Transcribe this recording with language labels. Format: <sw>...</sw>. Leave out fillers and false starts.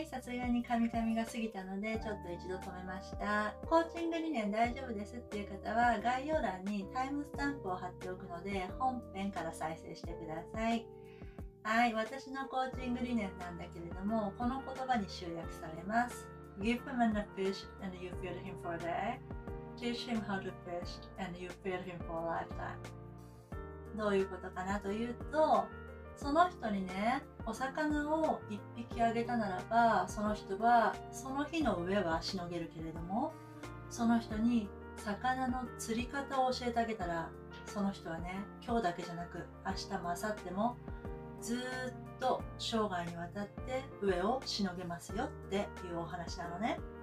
<ja>はい、さすがに噛み噛みが過ぎたので、ちょっと一度止めました。コーチング理念大丈夫ですっていう方は、概要欄にタイムスタンプを貼っておくので、本編から再生してください。はい、私のコーチング理念なんだけれども、この言葉に集約されます。</ja> <en>Give him a fish and you feed him for a day. Teach him how to fish and you feed him for a lifetime.</en> <ja>どういうことかなというと、その人にね、お魚を一匹あげたならば、その人はその日の上はしのげるけれども、その人に魚の釣り方を教えてあげたら、その人はね、今日だけじゃなく明日も明後日もずっと生涯にわたって上をしのげますよっていうお話なのね。</ja>